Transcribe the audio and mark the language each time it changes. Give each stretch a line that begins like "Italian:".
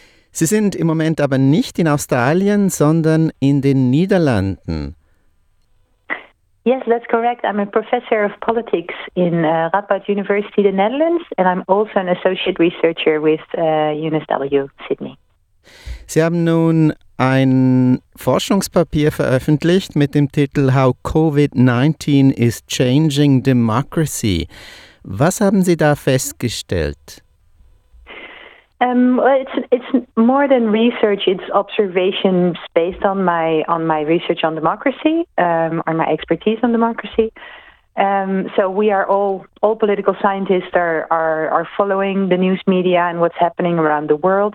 German: Sie sind im Moment aber nicht in Australien, sondern in den Niederlanden.
English: Yes, that's correct. I'm a professor of politics in Radboud University, the Netherlands, and I'm also an associate researcher with UNSW Sydney.
German: Sie haben nun ein Forschungspapier veröffentlicht mit dem Titel How COVID-19 is Changing Democracy. Was haben Sie da festgestellt?
English: It's more than research. It's observations based on my research on democracy, or my expertise on democracy. So we are all political scientists are following the news media and what's happening around the world.